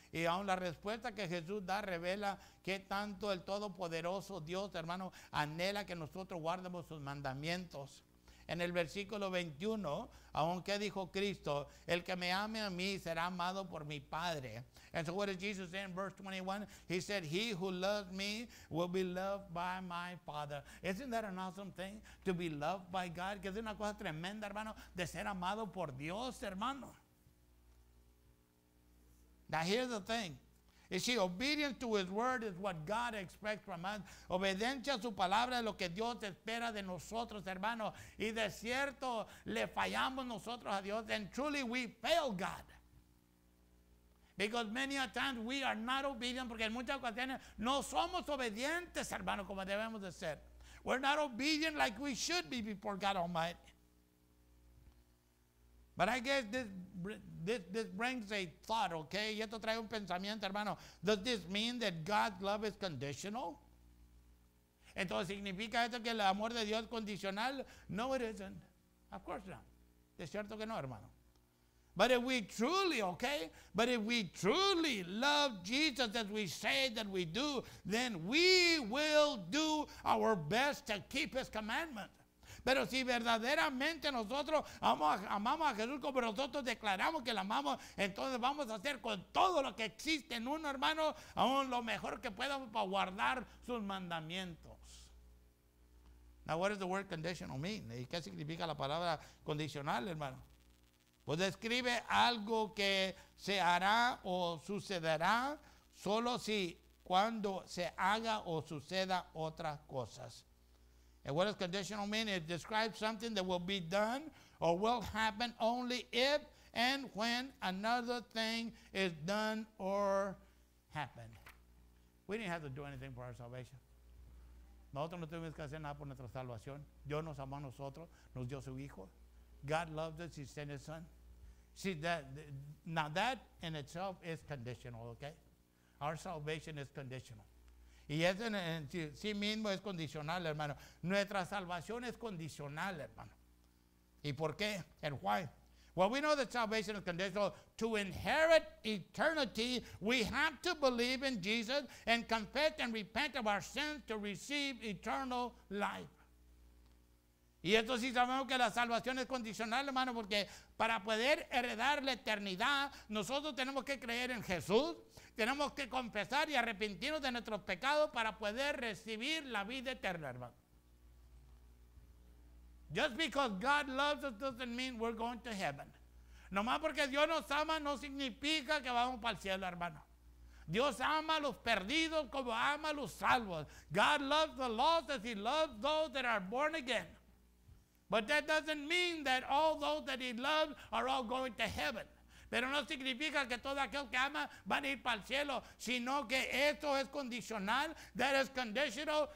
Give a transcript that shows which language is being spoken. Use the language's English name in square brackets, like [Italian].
[Spanish] Y aún la respuesta que Jesús da revela que tanto el Todopoderoso Dios, hermano, anhela que nosotros guardemos sus mandamientos. En el versículo 21, aunque dijo Cristo, el que me ame a mí será amado por mi Padre. [English] And so what did Jesus say in verse 21? He said, he who loves me will be loved by my Father. Isn't that an awesome thing? To be loved by God. [Spanish] Que es una cosa tremenda, hermano, de ser amado por Dios, hermano. [English] Now here's the thing. You see, obedience to his word is what God expects from us. [Spanish] Obediencia a su palabra es lo que Dios espera de nosotros, hermano. Y de cierto, le fallamos nosotros a Dios. [English] And truly, we fail God. Because many a times we are not obedient, [Spanish] porque en muchas ocasiones no somos obedientes, hermano, como debemos de ser. [English] We're not obedient like we should be before God Almighty. But I guess this brings a thought, okay? [Spanish] Y esto trae un pensamiento, hermano. [English] Does this mean that God's love is conditional? [Spanish] Entonces, ¿significa esto que el amor de Dios es condicional? [English] No, it isn't. Of course not. [Spanish] De cierto que no, hermano. [English] But if we truly, okay? But if we truly love Jesus as we say that we do, then we will do our best to keep his commandments. [Spanish] Pero si verdaderamente nosotros amamos a Jesús como nosotros declaramos que lo amamos, entonces vamos a hacer con todo lo que existe en uno, hermano, aún lo mejor que podamos para guardar sus mandamientos. [English] Now, what does the word conditional mean? [Spanish] ¿Y qué significa la palabra condicional, hermano? Pues describe algo que se hará o sucederá solo si cuando se haga o suceda otras cosas. [English] And what does conditional mean? It describes something that will be done or will happen only if and when another thing is done or happened. We didn't have to do anything for our salvation. [Spanish] Nosotros no tuvimos que hacer nada por nuestra salvación. Dios nos amó a nosotros, nos dio su hijo. [English] God loved us, he sent his son. See, that now that in itself is conditional, okay? Our salvation is conditional. [Spanish] Y eso en sí mismo es condicional, hermano. Nuestra salvación es condicional, hermano. ¿Y por qué? [English] And why? Well, we know that salvation is conditional. To inherit eternity, we have to believe in Jesus and confess and repent of our sins to receive eternal life. [Spanish] Y esto sí sabemos que la salvación es condicional, hermano, porque para poder heredar la eternidad, nosotros tenemos que creer en Jesús. Tenemos que confesar y arrepentirnos de nuestros pecados para poder recibir la vida eterna, hermano. [English] Just because God loves us doesn't mean we're going to heaven. [Spanish] Nomás porque Dios nos ama no significa que vamos para el cielo, hermano. Dios ama a los perdidos como ama a los salvos. [English] God loves the lost as he loves those that are born again. But that doesn't mean that all those that he loves are all going to heaven. [Spanish] Pero no significa que todos aquellos que aman van a ir para el cielo, sino que esto es condicional, [English] that is conditional.